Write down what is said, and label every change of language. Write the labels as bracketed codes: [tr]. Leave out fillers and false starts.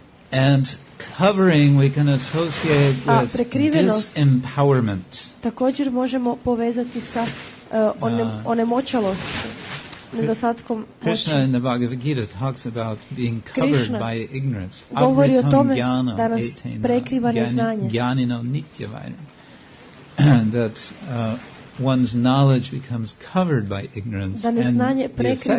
[en] And covering we can associate with disempowerment. [hr] Također možemo povezati sa onemoćalošću. [en] Krishna in the Bhagavad Gita talks about being covered by ignorance. [hr] Govori o tome da nas prekriva neznanje. [sa] Gyanino nityavaira. [en] That one's knowledge becomes covered by ignorance. [hr] Da neznanje prekriva.